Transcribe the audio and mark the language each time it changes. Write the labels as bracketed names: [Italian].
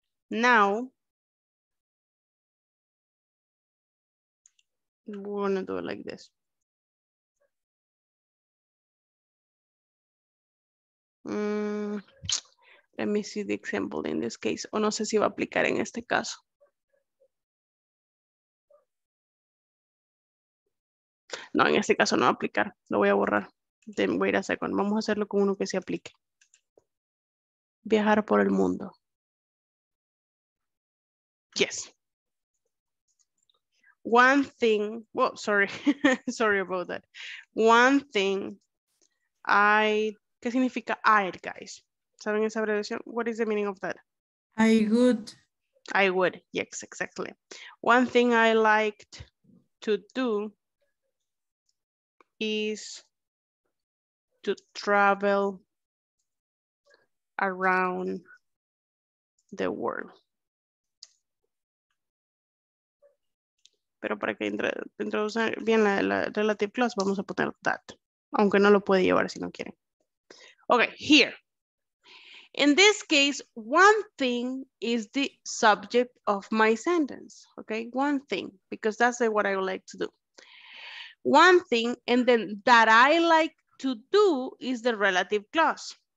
[English] Now, we're gonna do it like this. Let me see the example in this case. [Spanish] O no sé si va a aplicar en este caso. No, en este caso no va a aplicar. Lo voy a borrar. [English] Then wait a second. [Spanish] Vamos a hacerlo con uno que se aplique. Viajar por el mundo. [English] Yes. One thing. Well, sorry. Sorry about that. One thing. I. [Spanish] ¿Qué significa I, guys? ¿Saben esa abreviación? [English] What is the meaning of that? I would. I would. Yes, exactly. One thing I liked to do is to travel around the world. [Spanish] Pero para que introduzcan bien la relative clause, vamos a poner that. Aunque no lo puede llevar si no quiere. [English] Okay, here. In this case, one thing is the subject of my sentence, okay? One thing, because that's what I would like to do. One thing, and then that I like to do is the relative clause.